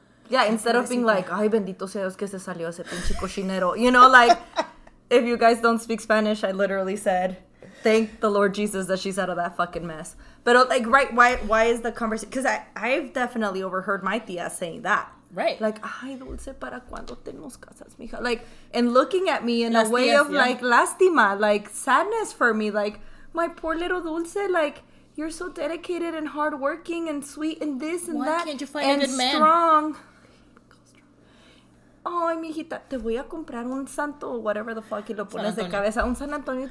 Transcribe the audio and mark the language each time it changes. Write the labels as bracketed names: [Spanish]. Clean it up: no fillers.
[English] Yeah, instead of being like, [Spanish] ay, bendito sea Dios que se salió ese pinche cochinero. [English] You know, like... If you guys don't speak Spanish, I literally said, thank the Lord Jesus that she's out of that fucking mess. But, like, right, why is the conversation? Because I've definitely overheard my tia saying that. Right. [Spanish] Like, ay, dulce, ¿para cuándo tenemos casas, mija? [English] Like, and looking at me in a way of, yeah. Like, lástima, like, sadness for me. Like, my poor little dulce, like, you're so dedicated and hardworking and sweet and this and why that. Why can't you find a good man? And strong. [Spanish] Ay, mijita, te voy a comprar un santo [English] or whatever the fuck [Spanish] y lo pones de cabeza. Un San Antonio.